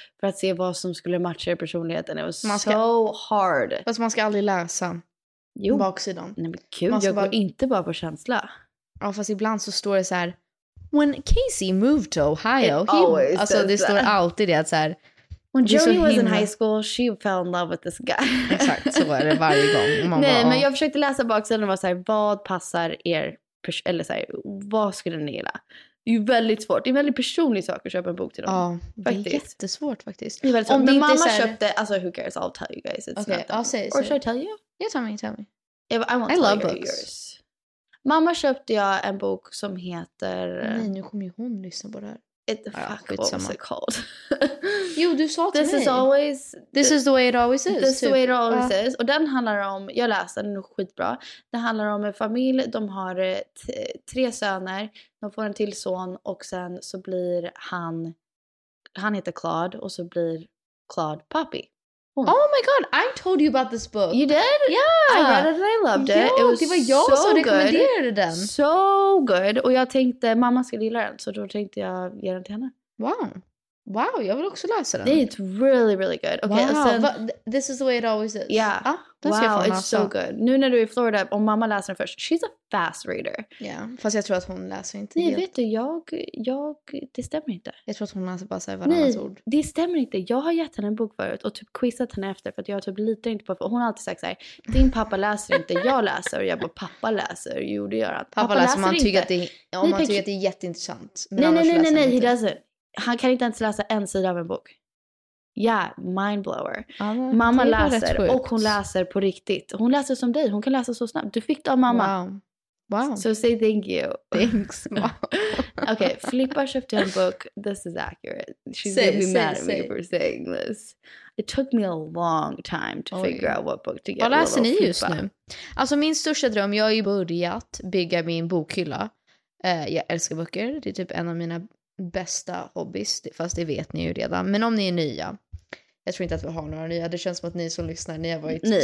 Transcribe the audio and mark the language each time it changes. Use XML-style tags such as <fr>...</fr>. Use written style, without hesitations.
<sv>För att se vad som skulle matcha i personligheten.</sv> <en>It was so hard.</en> <sv>Fast man ska aldrig läsa baksidan. Nej, men kul, jag går inte bara på känsla. Ja, fast ibland så står det så här:</sv> <en>when Casey moved to Ohio,</en> <sv>alltså det står alltid det att så här,</sv> <en>when Joey was in high school, she fell in love with this guy.</en> <sv>Exakt, så är det varje gång. Man nej, bara, men jag försökte läsa baksidan och var såhär, vad passar er, eller såhär, vad skulle ni gilla? Det är ju väldigt svårt, det är väldigt personlig sak att köpa en bok till dem. Ja, faktiskt. Det är jättesvårt faktiskt. Det är väldigt svårt. Om det mamma här köpte, alltså</sv> <en>who cares, I'll tell you guys. It's okay, I'll say it. Or should I tell you? Yeah, tell me. I love books. Yours.</en> <sv>Mamma köpte jag en bok som heter... Nej, nu kommer ju hon lyssna på det här.</sv> <en>What was it called?</en> <sv>Jo, du sa till</sv> <en>this</en> <sv>mig.</sv> <en>This is always... This is the way it always is. This is the way it always is.</en> <sv>Och den handlar om... Jag läste den, är skitbra. Det handlar om en familj. De har tre söner. De får en till son. Och sen så blir han... Han heter Claude. Och så blir Claude pappi.</sv> <en>Oh my god, I told you about this book. You did? Yeah. I read it and I loved it. Yeah, it was so good.</en> <sv>Det var jag som rekommenderade den.</sv> <en>So good.</en> <sv>Och jag tänkte, mamma skulle gilla den. Så då tänkte jag ge den till henne. Wow, jag vill också läsa den.</sv> <en>It's really, really good. Okay, wow, sen, but this is the way it always is. Yeah. Ah, wow, it's so good.</en> <sv>Nu när du är i Florida och mamma läser den först.</sv> <en>She's a fast reader.</en> <sv>Ja, yeah, fast jag tror att hon läser inte. Nej, helt. Vet du, jag, det stämmer inte. Jag tror att hon läser bara såhär varannas ord. Nej, det stämmer inte. Jag har gett henne en bok förut och typ quizat henne efter för att jag typ litar inte på. Och hon har alltid sagt såhär, din pappa läser inte, jag läser. Och jag bara, pappa läser. Jo, det gör att pappa läser man tycker inte. Om man tycker att det är jätteintressant.</sv> <en>Nej, he doesn't.</en> <sv>Han kan inte ens läsa en sida av en bok.</sv> <en>Ja, yeah, mindblower.</en> <sv>Alltså, mamma läser och hon läser på riktigt. Hon läser som dig, hon kan läsa så snabbt. Du fick det av mamma.</sv> <en>Wow. So say thank you. Thanks. Wow.</en> <sv>Okay, Flippa köpte en bok.</sv> <en>This is accurate. She's going to be mad at me for saying this. It took me a long time to figure out what book to get.</en> <sv>Vad läser ni just nu? Alltså min största dröm, jag har ju börjat bygga min bokhylla. Jag älskar böcker, det är typ en av mina bästa hobbies, fast det vet ni ju redan. Men om ni är nya, jag tror inte att vi har några nya, det känns som att ni som lyssnar, ni har varit</sv>